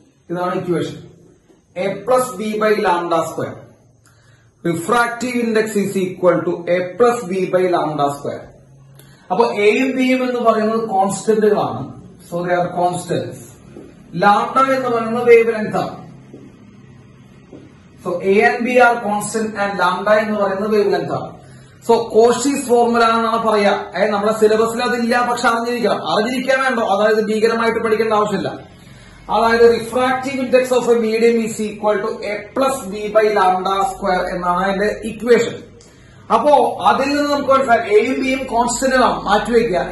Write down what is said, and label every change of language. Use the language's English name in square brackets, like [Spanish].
[Malayalam] ഇതാണ് equation, A plus B by lambda square. [English] Refractive index is equal to A plus B by lambda square. [Malayalam] അപ്പൊ എയും ബിയും എന്ന് പറയുന്നത് കോൺസ്റ്റന്റുകളാണ്, [English] So they are constants. [Malayalam] Lambda എന്ന് പറയുന്നത് വേവ് ലെങ്ത് ആണ്. [English] So A and B are constant and lambda [Malayalam] എന്ന് പറയുന്നത് വേവ് ലെങ്ത് ആണ്. സോ കോഷീസ് ഫോർമുല എന്നാണ് പറയാ. നമ്മുടെ സിലബസിൽ അതില്ല, പക്ഷെ അറിഞ്ഞിരിക്കണം. അറിഞ്ഞിരിക്കാൻ വേണ്ടോ? അതായത് ഭീകരമായിട്ട് പഠിക്കേണ്ട ആവശ്യമില്ല. [English] അതായത് refractive index of a medium is equal to A plus B by lambda square [Malayalam] എന്നാണ് അതിന്റെ ഇക്വേഷൻ. അപ്പോ അതിൽ നിന്ന് നമുക്ക് മനസ്സിലാക്കാം, എയും ബിയും കോൺസ്റ്റന്റ് ആണ്, മാറ്റിവെക്കുക.